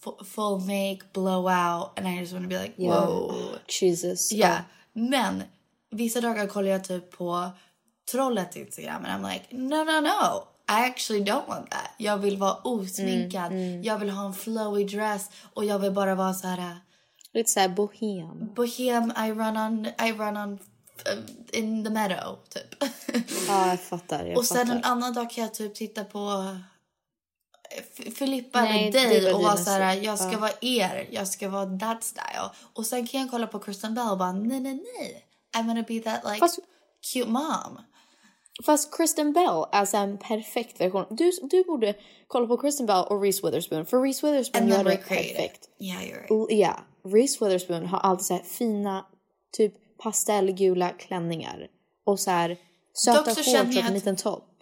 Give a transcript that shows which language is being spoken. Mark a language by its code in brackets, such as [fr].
[en] full make, blowout, and I just want to be like, whoa. Yeah. Jesus. [sv] Yeah. Oh. Men, vissa dagar kollar jag typ på trollet Instagram, [en] and I'm like, no. I actually don't want that. [sv] Jag vill vara osminkad. [en] Mm, mm. [sv] Jag vill ha en [en] flowy dress, [sv] och jag vill bara vara så här. Lite så här bohem. [en] Bohem, I run on in the meadow, typ. [sv] Ja, jag fattar. Och sen en annan dag kan jag typ titta på Filippa eller dig och vara såhär, jag ska vara er. Jag ska vara [en] that style. [sv] Och sen kan jag kolla på Kristen Bell och bara, nej. [en] I'm gonna be that, like, fast, cute mom. [sv] Fast Kristen Bell är en perfekt version. Du borde kolla på Kristen Bell och Reese Witherspoon. För Reese Witherspoon är det perfekt. [en] Yeah, you're right. Yeah. [sv] Reese Witherspoon har alltid såhär fina, typ, pastellgula klänningar. Och så här söta hår från en liten topp.